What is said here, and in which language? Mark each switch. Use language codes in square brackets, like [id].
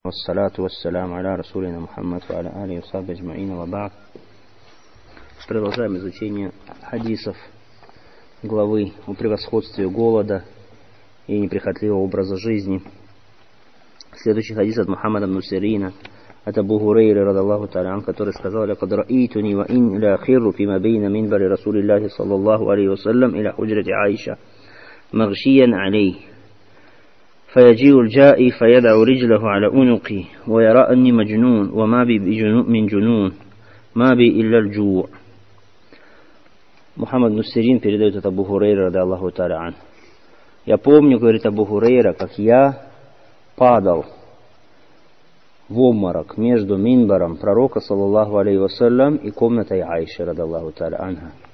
[ar] والصلاة والسلام على رسولنا محمد وعلى آله وصحبه أجمعين وبعد. [ru] Продолжаем изучение хадисов главы о превосходстве голода и неприхотливого образа жизни. Следующий хадис от Мухаммада ибн Сирина, от Абу Хурейры رضي الله تعالى عنه, который сказал: [ar] لقد رأيتني وإن لا خير فيما بين منبر رسول الله صلى الله عليه وسلم إلى حجرة عائشة مغشيا عليه. فيجيء الجائي فيدع رجله على أنقي ويرى أني مجنون وما بي من جنون ما بي إلا الجوع. [ru] Мухаммад ибн Сирин передает от Абу Хурейры [ar] رضي الله تعالى عنه. [ru] Я помню, говорит Абу Хурейра, как я падал в обморок между минбаром пророка, саллаллаху алейхи вассалям, и комнатой Айши, радиаллаху тааля анха.